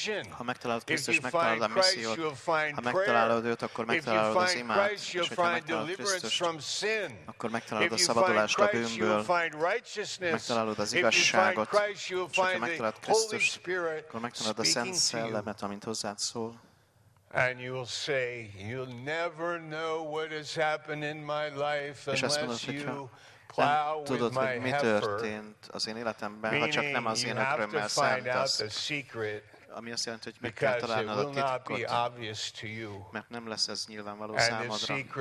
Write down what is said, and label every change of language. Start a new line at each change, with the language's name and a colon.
Hungarian: Ha megtalálod Krisztus, megtalálod a missziót. Ha megtalálod őt, akkor megtalálod az imát. És ha megtalálod Krisztus, akkor megtalálod a szabadulást a bűnből. Megtalálod az igazságot. És ha megtalálod Krisztust, akkor megtalálod a Szent Szellemet, amint hozzád szól.
English: And you'll say, you'll never know what has happened in my life unless you plow with
Hungarian: tudod,
English: my
Hungarian: mi történt az én életemben, ha csak nem az én ökrömmel szántasz. Ami azt jelenti, hogy meg kell találnod a titkot, mert nem lesz ez nyilvánvaló számodra.